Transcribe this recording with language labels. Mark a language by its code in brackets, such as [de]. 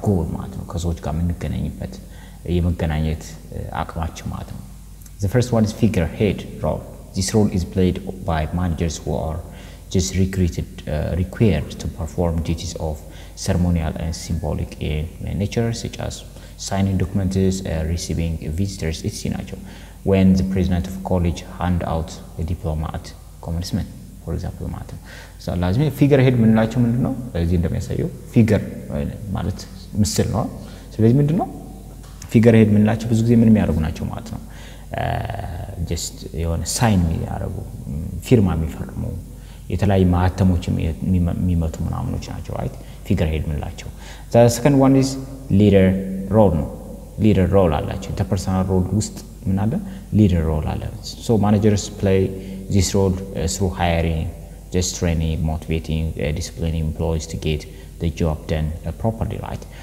[am] Goal ማለት ነው። ከሰዎች ጋር የምንገናኝበት የመገናኘት አቅማችን ማለት ነው። [en] The first one is figurehead role. This role is played by managers who are just recruited, required to perform duties of ceremonial and symbolic in nature, such as signing documents, receiving visitors, etc. When the president of college hand out a diploma at commencement, for example, [am] ማለት ነው። [en] So, [am] ላዝሚ figurehead ምንላቸው ምንድን ነው? እዚህ እንደሚያሳየው figure ማለት ምስል ነው። ስለዚህ ምንድን ነው? figurehead ምንላቸው ብዙ ጊዜ ምን የሚያደርጉ ናቸው ማለት ነው? ጀስት የሆነ ሳይን የሚያደርጉ ፊርማ የሚፈርሙ የተለያዩ ማህተሞች የሚመቱ ምናምኖች ናቸው right? figurehead ምንላቸው። [en] The second one is leader role. [am] Leader role አላቸው። interpersonal role ውስጥ ምን አለ? leader role አለ። [en] So managers play this role through hiring, just training, motivating, disciplining employees to get the job done properly, right?